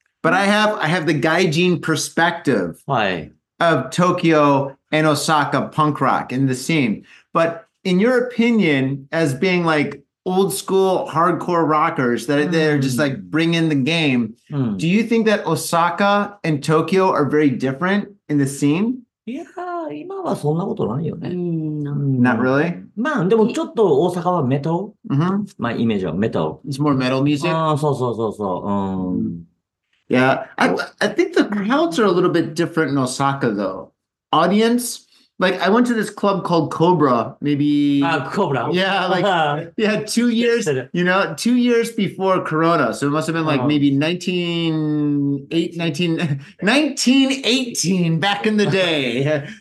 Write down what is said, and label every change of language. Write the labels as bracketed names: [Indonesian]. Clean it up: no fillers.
[English] But I have the gaijin perspective of Tokyo and Osaka punk rock in the scene. But in your opinion, as being like old school hardcore rockers that they're just like bringing the game, do you think that Osaka and Tokyo are very different in the scene? [Japanese] いや今はそんなことないよね。 [English] Not really? [Japanese] まあ、でもちょっと大阪はメトル。まあ、イメージはメトル。 [English] It's more metal music? [Japanese] ああ、そうそうそうそう。 [English] Yeah, I think the crowds are a little bit different in Osaka, though. Audience? Like, I went to this club called Cobra, maybe... Cobra. Yeah, like, yeah, 2 years, you know, 2 years before Corona. So it must have been, like, maybe 1918 back in the day.